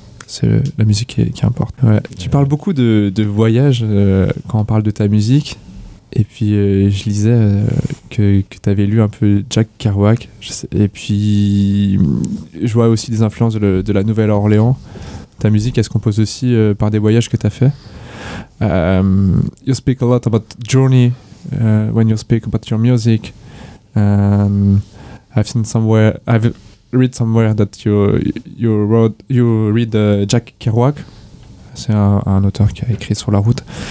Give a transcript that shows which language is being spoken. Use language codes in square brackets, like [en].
[fr] C'est la musique qui importe. Ouais. Tu parles beaucoup de voyage quand on parle de ta musique. Et puis je lisais que tu avais lu un peu Jack Kerouac, et puis je vois aussi des influences de la Nouvelle-Orléans. Ta musique, elle se compose aussi par des voyages que tu as fait. [en] You speak a lot about journey when you speak about your music. I've read somewhere that you read Jack Kerouac. [fr] C'est un auteur qui a écrit sur la route.